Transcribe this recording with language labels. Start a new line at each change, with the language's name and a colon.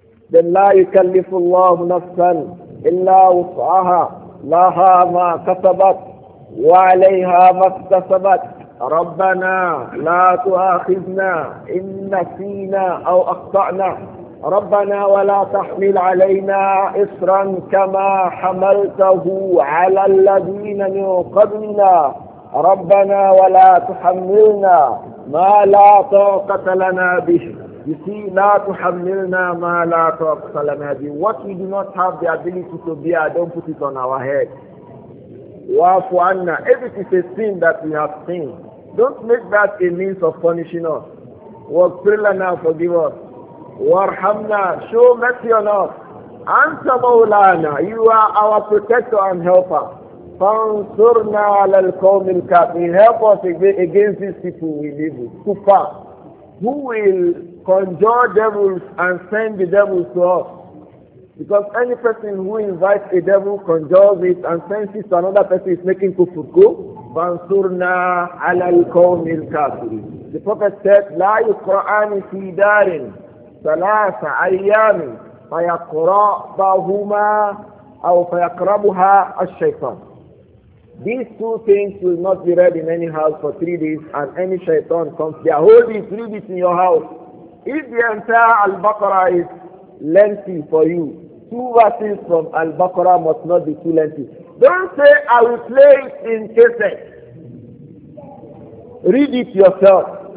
English: Then
Arabic: لَا يُكَلِّفُ اللَّهُ نَفْسًا إِلَّا وُسْعَهَا لها ما كسبت وعليها ما اكتسبت ربنا لا تؤاخذنا إن نسينا أو أخطأنا ربنا ولا تحمل علينا إصرا كما حملته على الذين من قبلنا ربنا ولا تحملنا ما لا طاقة لنا به.
English: You see,
Arabic: لا تحملنا ما لا طاقة لنا به.
English: What we do not have the ability to bear, don't put it on our head.
Arabic: وَعْفُ عَنَّا.
English: If it is a sin that we have sinned, don't make that a means of punishing us.
Arabic: وَغْفِرْ لَنَا.
English: Forgive us.
Arabic: وَارْحَمْنَا.
English: Show mercy on us.
Arabic: أَنْتَ مَوْلَانَا.
English: You are our protector and helper.
Arabic: فَانْصُرْنَا عَلَى الْقَوْمِ الْكَافِرِينَ.
English: Help us against these people we live with.
Arabic: كُفَّار.
English: Who will conjure devils and send the devils to us? Because any person who invites a devil, conjures it, and sends it to another person is making kufur.
Arabic: فَانْصُرْنَا عَلَى الْقَوْمِ الْكَافِرِينَ.
English: The Prophet said,
Arabic: لَا يُقْرَآنِ فِي دَارٍ ثَلَاثَ أَيَّامٍ فَيَقْرَأْبَهُمَا أَوْ فَيَقْرَبُهَا الشَّيْطَانِ.
English: These two things will not be read in any house for 3 days, and any shaitan comes there. Hold it, read it in your house. If the entire Al-Baqarah is lengthy for you, two verses from Al-Baqarah must not be too lengthy. Don't say, I will play it in cassette. Read it yourself.